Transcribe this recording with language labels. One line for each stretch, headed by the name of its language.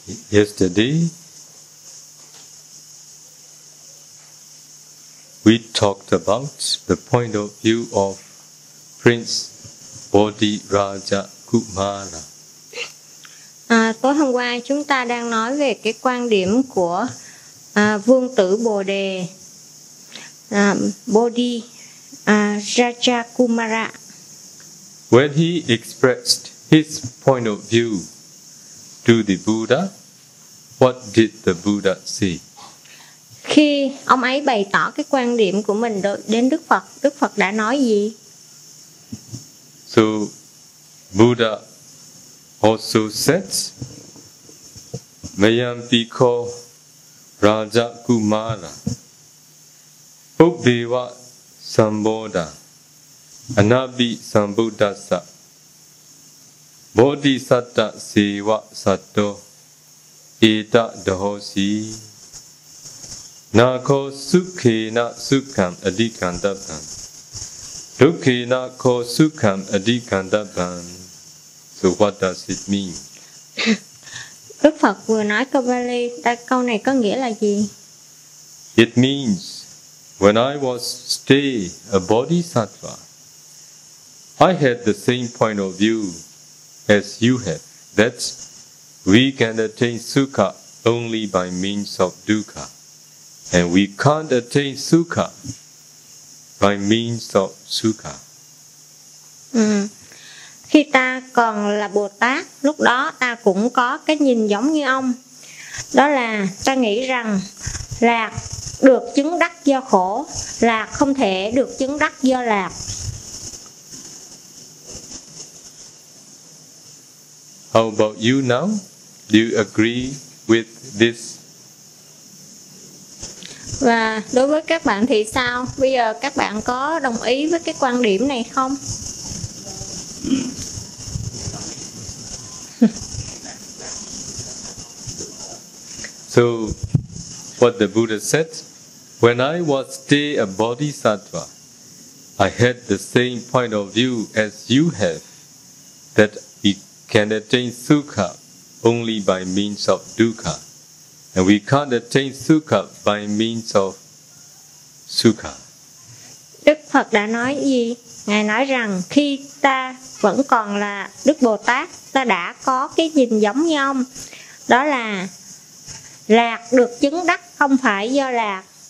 English: Yesterday, we talked about the point of view of Prince Bodhiraja Kumara.
Vietnamese: Tối hôm qua chúng ta đang nói về cái quan điểm của Vương tử Bồ Đề, Bodhiraja Kumara.
English: When he expressed his point of view to the Buddha, what did the Buddha say?
Vietnamese: Khi ông ấy bày tỏ cái quan điểm của mình đến Đức Phật đã nói gì?
English: to Buddha also said,
Pali: Mayam Piko Raja Kumara Ubiwa Sambodha Anabi Sambuddhasa Bodhisatta Siwa Sato Ita Dhosi Nako Sukhi Na Sukham Adikandabhan Dukhi Nako Sukham Adikandabhan.
English: So what does it mean?
Vietnamese: Đức Phật vừa nói câu Bali, câu này có nghĩa là gì?
English: It means, when I was stay a bodhisattva, I had the same point of view as you have, that we can attain sukha only by means of dukkha, and we can't attain sukha by means of sukha.
Vietnamese: Khi ta còn là Bồ Tát, lúc đó ta cũng có cái nhìn giống như ông. Đó là ta nghĩ rằng lạc được chứng đắc do khổ, lạc không thể được chứng đắc do lạc.
English: How about you now? Do you agree with this?
Vietnamese: Và đối với các bạn thì sao? Bây giờ các bạn có đồng ý với cái quan điểm này không?
English: So, what the Buddha said, when I was still a bodhisattva, I had the same point of view as you have, that we can attain sukha only by means of dukkha, and we can't attain sukha by means of sukha.
Vietnamese: Đức Phật đã nói gì? Ngài nói rằng khi ta vẫn còn là Đức Bồ Tát, ta đã có cái nhìn giống như ông, đó là lạc được chứng đắc không phải do lạc.